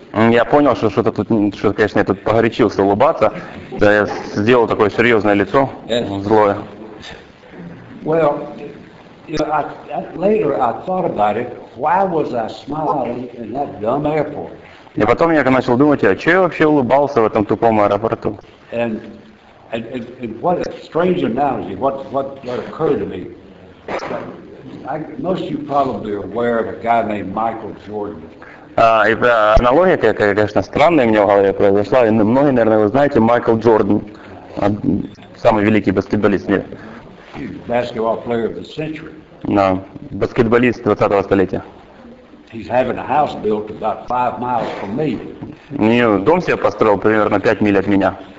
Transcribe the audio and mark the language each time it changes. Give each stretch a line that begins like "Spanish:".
Russian: Я понял, что что-то тут, что, конечно, я тут погорячился улыбаться. Да, я сделал такое серьезное лицо, злое.
English: Well, you know, later I thought about it. Why was I smiling in that dumb airport?
Russian: И потом я начал думать, а че я вообще улыбался в этом тупом аэропорту?
English: And what a strange analogy. What occurred to me? Most of you probably are aware of a guy named Michael Jordan.
Russian: Аналогия такая, конечно, странная мне в голове произошла. И многие, наверное, вы знаете, Майкл Джордан, самый великий баскетболист в мире.
English: Basketball player of the century.
Russian: No, баскетболист 20-го столетия.
English: He's having a house built about 5 miles from me.
Russian: Не, дом себе построил примерно 5 миль от меня.